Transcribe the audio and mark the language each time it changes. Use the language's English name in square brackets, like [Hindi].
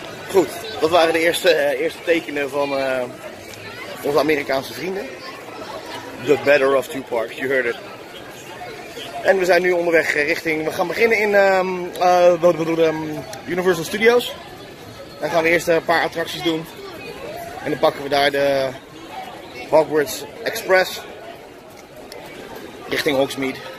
[Dutch] Goed, dat waren de eerste tekenen van onze Amerikaanse vrienden. [English] The Better of Two Parks, you heard it. [Dutch] En we zijn nu onderweg richting, we gaan beginnen in Universal Studios. Dan gaan we eerst een paar attracties doen. En dan pakken we daar de Hogwarts Express richting Hogsmeade.